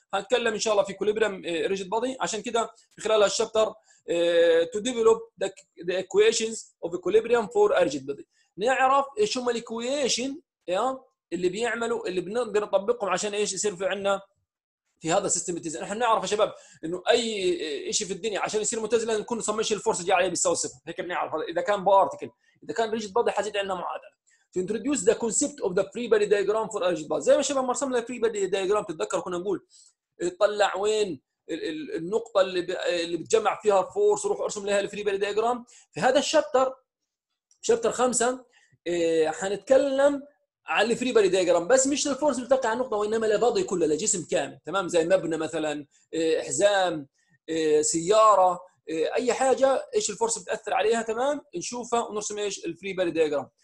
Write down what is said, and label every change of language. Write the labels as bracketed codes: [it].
[ar] هنتكلم ان شاء الله في كوليبريم ريجيد بودي، عشان كده خلال الشابتر [en] to develop the equations of equilibrium for rigid body, [ar] نعرف ايش هم الايكويشن اللي بيعملوا اللي بنقدر نطبقهم عشان ايش يصير في عندنا في هذا السيستم متزن. احنا نعرف يا شباب انه اي شيء في الدنيا عشان يصير متزن لازم يكون سمشن الفورس جاي عليه بيساوي صفر، هيك بنعرف اذا كان بارتكل، اذا كان ريجيد بودي حتزيد عندنا معادله. [en] To introduce the concept of the free body diagram for rigid body. [ar] زي ما شباب ما رسمنا free body diagram تتذكر كنا نقول طلع وين النقطة اللي بتجمع فيها force وروح ارسم لها free body diagram. في هذا الشابتر شابتر 5 حنتكلم على free body diagram بس مش الفورس اللي بتقع على النقطة وإنما لبضي كله لجسم كامل، تمام؟ زي مبنى مثلا، حزام، سيارة، أي حاجة إيش الفورس بتأثر عليها، تمام؟ نشوفها ونرسم إيش free body diagram.